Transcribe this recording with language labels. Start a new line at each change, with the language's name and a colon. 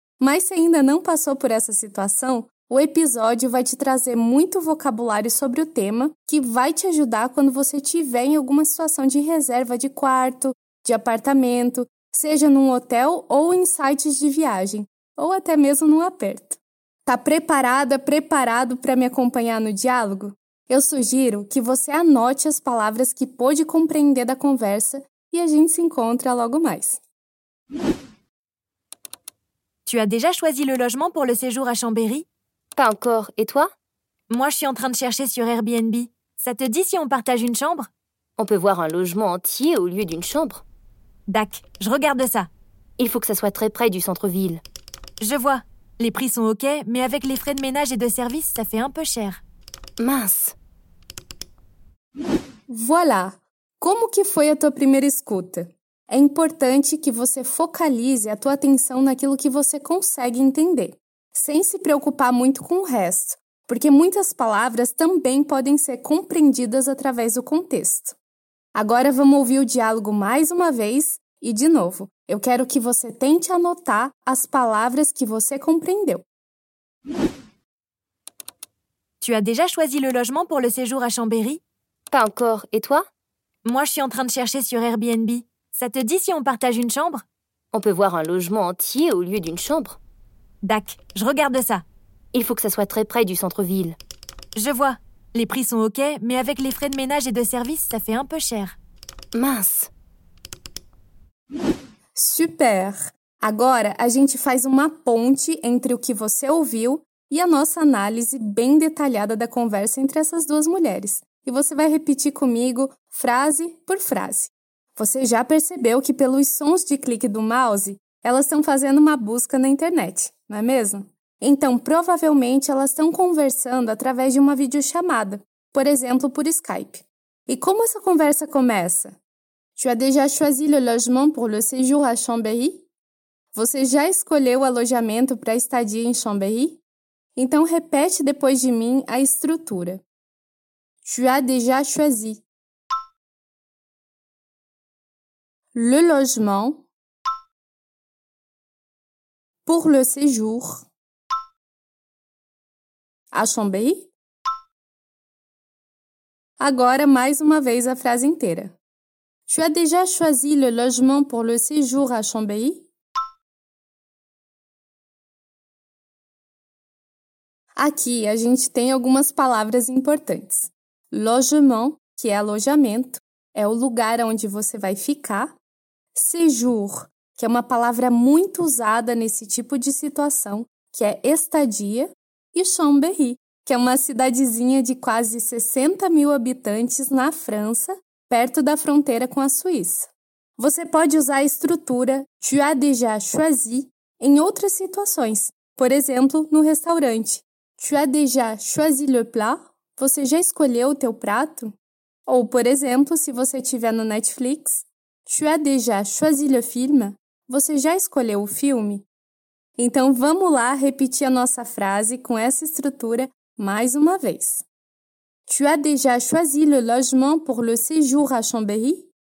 Portuguese: Mas se ainda não passou por essa situação, o episódio vai te trazer muito vocabulário sobre o tema que vai te ajudar quando você estiver em alguma situação de reserva de quarto, de apartamento, seja num hotel ou em sites de viagem, ou até mesmo num aperto. Tá preparada, preparado para me acompanhar no diálogo? Eu sugiro que você anote as palavras que pôde compreender da conversa e a gente se encontra logo mais.
French: Tu as déjà choisi le logement pour le séjour à Chambéry? Pas encore. Et toi? Moi, je suis en train de chercher sur Airbnb. Ça te dit si on partage une chambre? On peut voir un logement entier au lieu d'une chambre. Dac, je regarde ça. Il faut que ça soit très près du centre-ville. Je vois. Les prix sont ok, mais avec les frais de ménage et de service, ça fait un peu cher. Mince. Voilà.
Portuguese: Como que foi a tua primeira escuta? É importante que você focalize a tua atenção naquilo que você consegue entender, sem se preocupar muito com o resto, porque muitas palavras também podem ser compreendidas através do contexto. Agora vamos ouvir o diálogo mais uma vez e de novo. Eu quero que você tente anotar as palavras que você compreendeu.
French: Tu as déjà choisi le logement pour le séjour à Chambéry? Pas encore. Et toi? Moi, je suis en train de chercher sur Airbnb. Ça te dit si on partage une chambre? On peut voir un logement entier au lieu d'une chambre. Dac, je regarde ça. Il faut que ça soit très près du centre-ville. Je vois. Les prix sont ok, mais avec les frais de ménage et de service, ça fait un peu cher. Mince.
Portuguese: Super! Agora a gente faz uma ponte entre o que você ouviu e a nossa análise bem detalhada da conversa entre essas duas mulheres. E você vai repetir comigo frase por frase. Você já percebeu que pelos sons de clique do mouse, elas estão fazendo uma busca na internet, não é mesmo? Então, provavelmente, elas estão conversando através de uma videochamada, por exemplo, por Skype. E como essa conversa começa?
French: Tu as déjà choisi le logement pour le séjour à Chambéry?
Portuguese: Você já escolheu o alojamento para a estadia em Chambéry? Então, repete depois de mim a estrutura.
French: Tu as déjà choisi le logement Pour le séjour. À Chambéry.
Portuguese: Agora, mais uma vez, a frase inteira.
French: Tu as déjà choisi le logement pour le séjour à Chambéry?
Portuguese: Aqui, a gente tem algumas palavras importantes. Logement, que é alojamento, é o lugar onde você vai ficar. Séjour, que é uma palavra muito usada nesse tipo de situação, que é estadia. E Chambéry, que é uma cidadezinha de quase 60 mil habitantes na França, perto da fronteira com a Suíça. Você pode usar a estrutura
French: tu as déjà choisi
Portuguese: em outras situações, por exemplo, no restaurante.
French: Tu as déjà choisi le plat?
Portuguese: Você já escolheu o teu prato? Ou, por exemplo, se você estiver no Netflix,
French: tu as déjà choisi le film?
Portuguese: Você já escolheu o filme? Então, vamos lá repetir a nossa frase com essa estrutura mais uma vez.
French: Tu as déjà choisi le logement pour le séjour à Chambéry?